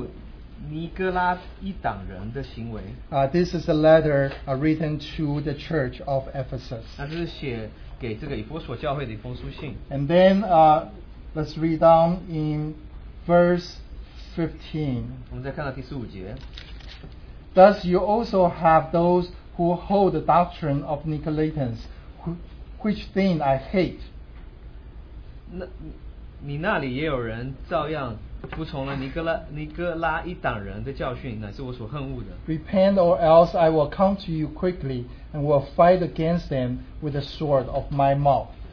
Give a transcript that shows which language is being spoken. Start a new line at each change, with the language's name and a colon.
Chinese: 然而还有一件事，还有一件可取的事，就是你们所恨，就是你恨恶尼哥拉一党人的行为。
English: This is a letter written to the church of Ephesus.
Chinese: 那这是写给这个以弗所教会的一封书信。
English: And then let's read down in verse 15.
Chinese: 我们再看到第十五节。
English: Thus you also have those who hold the doctrine of Nicolaitans, which thing I hate.
Chinese: 你那里也有人照样服从了尼格拉一党人的教训，乃是我所恨恶的。
English: Repent, or else I will come to you quickly and will fight against them with the sword of my mouth.